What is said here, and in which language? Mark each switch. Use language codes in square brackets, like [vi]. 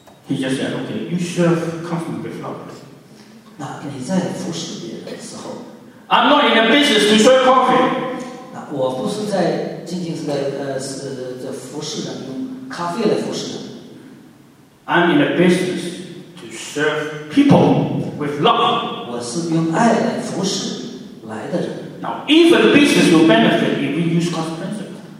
[en] He just said, "Okay, you serve customers with love." [zh] 那你在服侍别人的时候。 [en] I'm not in a business to serve coffee. [zh] 那我不是在仅仅是在在服侍人，用咖啡来服侍人。 [en] I'm in a business. Serve people with love. [zh] 我是用爱来服侍来的人。 [en] Now, even business will benefit if we use God's principle.